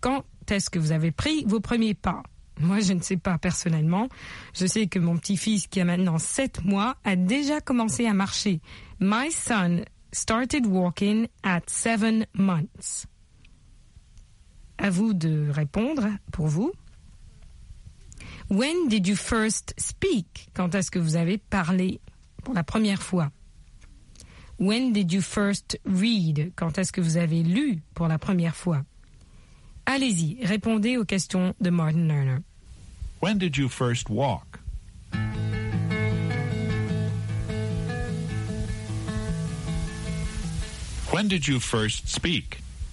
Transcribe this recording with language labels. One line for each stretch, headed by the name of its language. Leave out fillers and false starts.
French: Quand est-ce que vous avez pris vos premiers pas ? Moi, je ne sais pas personnellement. Je sais que mon petit-fils, qui a maintenant 7 mois, a déjà commencé à marcher.
English: « My son started walking at 7 months. »
French: À vous de répondre pour vous.
English: « When did you first speak ?»
French: Quand est-ce que vous avez parlé pour la première fois ?«
English: When did you first read ?»
French: Quand est-ce que vous avez lu pour la première fois ? Allez-y, répondez aux questions de Martin Lerner.
English: « When did you first walk ?» « When did you first speak ?»